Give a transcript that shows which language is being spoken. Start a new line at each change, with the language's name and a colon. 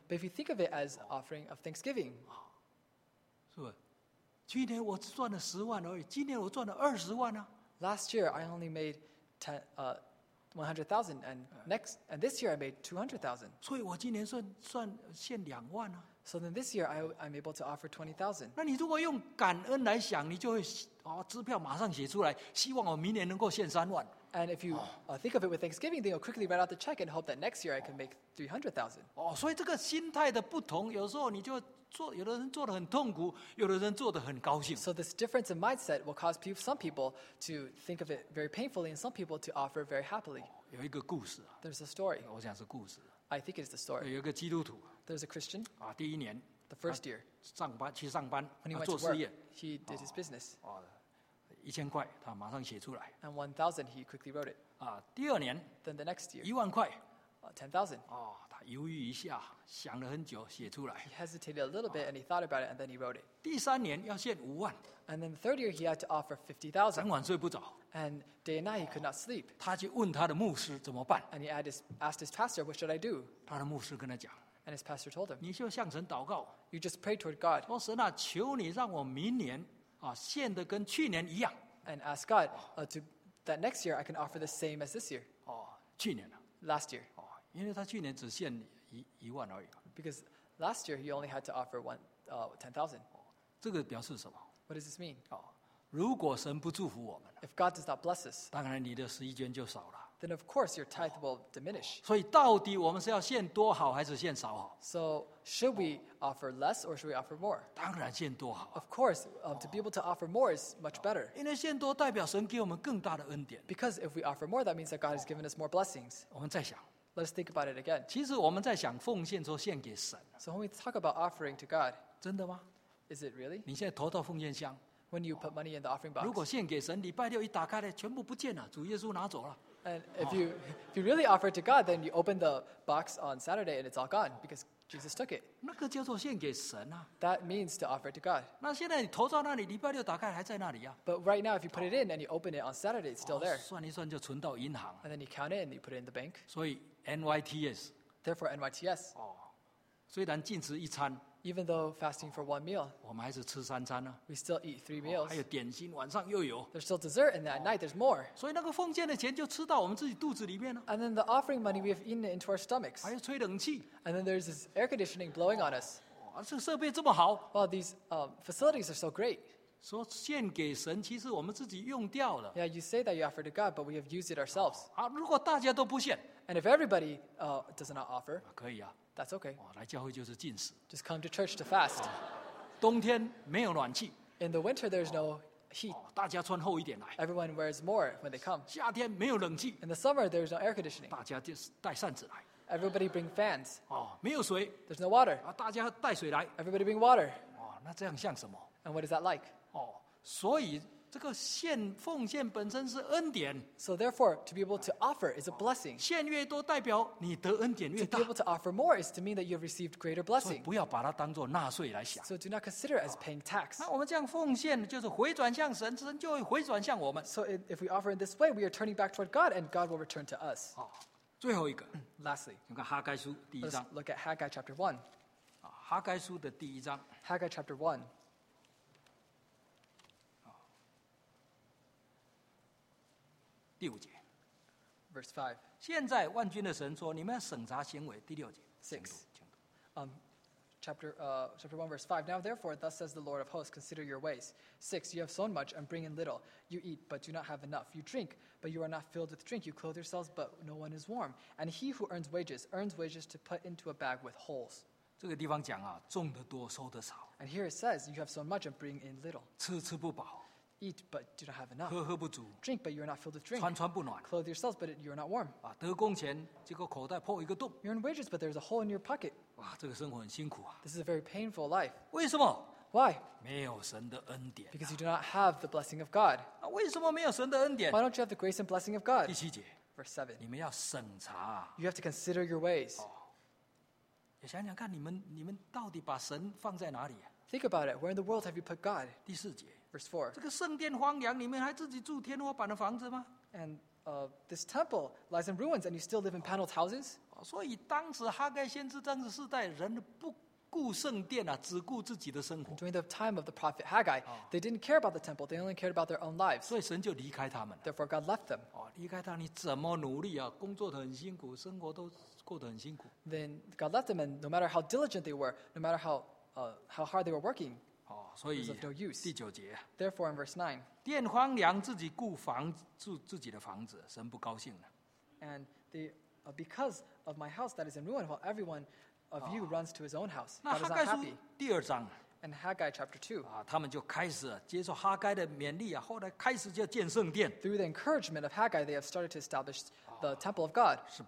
English: But if you think of it as offering of thanksgiving.
Chinese: 是吧？去年我只赚了十万而已，今年我赚了二十万呢。
English: Last year I only made 100,000, and this year I made 200,000.
Chinese: 所以我今年算献两万呢。
English: So then this year I'm able to offer 20,000.
Chinese: 那你如果用感恩来想，你就会支票马上写出来，希望我明年能够献三万。
English: And if you think of it with Thanksgiving, then you'll quickly write out the check and hope that next year I can make 300,000.
Chinese: 所以这个心态的不同，有时候你就。有的人做得很痛苦，有的人做得很高兴。
English: So this difference in mindset will cause some people to think of it very painfully and some people to offer very happily.
Chinese: 有一个故事。
English: There's a story.
Chinese: 我想是故事。
English: I think it's the story.
Chinese: 有一个基督徒。
English: There's a Christian.
Chinese: 第一年。
English: The first year.
Chinese: 去上班。
English: When he went to work, he did his business.
Chinese: 一千块，他马上写出来。
English: And 1,000, he quickly wrote it.
Chinese: 第二年。
English: Then the next year.
Chinese: 一万块。
English: 10,000.
Chinese: 犹豫一下，想了很久，写出来。
English: He hesitated a little bit, and he thought about it, and then he wrote it.
Chinese: 第三年要献五万。
English: And then the third year, he had to offer 50,000.
Chinese: 整晚睡不着。
English: And day and night, he could not sleep.
Chinese: 他去问他的牧师怎么办。
English: And he asked his pastor, "What should I do?"
Chinese: 他的牧师跟他讲。
English: And his pastor told him,
Chinese: 你就向神祷告。
English: You just pray toward God.
Chinese: 说神啊，求你让我明年献的跟去年一样。
English: And ask God that next year I can offer the same as this year.
Chinese: 去年啊。
English: Last year.
Chinese: 因为他去年只献一万而已。
English: Because last year he only had to offer 10,000.
Chinese: 这个表示什么
English: ？What does this mean？
Chinese: 如果神不祝福我们
English: ，If God does not bless us，
Chinese: 当然你的十一捐就少了。
English: Then of course your tithe will diminish。
Chinese: 所以到底我们是要献多好还是献少好
English: ？So should we offer less or should we offer more？
Chinese: 当然献多好。
English: Of course, to be able to offer more is much better。
Chinese: 因为献多代表神给我们更大的恩典。
English: Because if we offer more, that means that God has given us more blessings。
Chinese: 我们再想。
English: Let's think about it again.
Chinese: 其实我们在想奉献说献给神。
English: So when we talk about offering to God,
Chinese: 真的吗
English: ？Is it really?
Chinese: 你现在投到奉献箱。
English: When you put money in the offering box.
Chinese: 如果献给神，礼拜六一打开来，全部不见了，主耶稣拿走了。
English: And if you really offer to God, then you open the box on Saturday and it's all gone because Jesus took it.
Chinese: 那个叫做献给神啊。
English: That means to offer to God.
Chinese: 那现在你投到那里，礼拜六打开还在那里呀。
English: But right now, if you put it in and you open it on Saturday, it's still there.
Chinese: 算一算就存到银行。
English: And then you count it and you put it in the bank.
Chinese: 所以。NYTS.
English: Therefore, NYTS.
Chinese: 虽然禁食一餐
English: Even though fasting for one meal,
Chinese: 我们还是吃三餐啊。
English: We still eat three meals.
Chinese: 还有点心，晚上又有。
English: There's still dessert, and at night there's more.
Chinese: 所以那个奉献的钱就吃到我们自己肚子里面了。
English: And then the offering money we have eaten into our stomachs.
Chinese: 还有吹冷气。
English: And then there's this air conditioning blowing on us.
Chinese: 这设备这么好。
English: Well, these facilities are so great.
Chinese: 说献给神，其实我们自己用掉了。
English: Yeah, you say that you offer to God, but we have used it ourselves.
Chinese: 如果大家都不献。
English: And if everybody does not offer,
Chinese: 可以啊,
English: that's okay.
Chinese: 来教会就是禁食。
English: Just come to church to fast.
Chinese: 冬天没有暖气。
English: In the winter, there's no heat.
Chinese: 大家穿厚一点来。
English: Everyone wears more when they come.
Chinese: 夏天没有冷气。
English: In the summer, there's no air conditioning.
Chinese: 大家就带扇子来。
English: Everybody bring fans.
Chinese: 没有水。
English: There's no water.
Chinese: 大家带水来。
English: Everybody bring water.
Chinese: 那这样像什么？
English: And what is that like?
Chinese: 所以这个献奉献本身是恩典。
English: So therefore, to be able to offer is a blessing.
Chinese: 献越多代表你得恩典越大。
English: To be able to offer more is to mean that you have received greater blessing.
Chinese: 所以不要把它当作纳税来想。
English: So do not consider it as paying tax.
Chinese: 那我们这样奉献就是回转向神，神就会回转向我们。
English: So if we offer in this way, we are turning back toward God and God will return to us.
Chinese: 最后一个。
English: Lastly.
Chinese: 你看哈该书第一章。
English: Let's look at Haggai chapter 1.
Chinese: 哈该书的第一章。
English: Haggai chapter 1.
Chinese: 第五节
English: Verse 5.
Chinese: 现在万军的神说你们要审查行为第六节
English: 6. chapter 1, verse 5. Now therefore, thus says the Lord of hosts, consider your ways. 6, you have sown much and bring in little. You eat, but do not have enough. You drink, but you are not filled with drink. You clothe yourselves, but no one is warm. And he who earns wages to put into a bag with holes.
Chinese: 这个地方讲啊, 种得多, 收得少,
English: and here it says, you have sown much and bring in little.
Chinese: 吃不饱,
English: eat, but do not have enough.
Chinese: 喝不足,
English: drink, but you are not filled with drink.
Chinese: 穿不暖,
English: clothe yourselves, but you are not warm.
Chinese: 啊, 得工钱, 结果口袋破一个洞,
English: you earn wages, but there is a hole in your pocket.
Chinese: 哇, 这个生活很辛苦啊,
English: this is a very painful life.
Chinese: 为什么?
English: Why?
Chinese: 没有神的恩典啊,
English: because you do not have the blessing of God.
Chinese: 啊, 为什么没有神的恩典?
English: Why don't you have the grace and blessing of God?
Chinese: 第七节,
English: verse 7.
Chinese: 你们要审查,
English: you have to consider your ways.
Chinese: 哦, 想想看你们到底把神放在哪里啊?
English: Think about it. Where in the world have you put God?
Chinese: 第四节,
English: verse 4.
Chinese: 这个圣殿荒凉,你们还自己住天花板的房子吗?
English: And this temple lies in ruins and you still live in paneled houses?
Chinese: 所以当时哈该先知当时世代人不顾圣殿啊,只顾自己的生活。
English: During the time of the prophet Haggai, they didn't care about the temple, they only cared about their own lives.
Chinese: 所以神就离开他们。
English: Therefore God left them.
Chinese: 离开他你怎么努力啊,工作得很辛苦,生活都...
English: Then God left them, and no matter how diligent they were, no matter how hard they were working, it was of no use.
Chinese: 第九节,
English: therefore, in verse 9,
Chinese: 殿荒凉自己顾房,住自己的房子, 神不高兴了。
English: And they, because of my house that is in ruin, while everyone of you runs to his own house, God is not happy.
Chinese: 第二章,
English: and Haggai chapter 2,
Chinese: 啊, 他们就开始接受哈该的勉励啊,
English: through the encouragement of Haggai, they have started to establish the temple of God.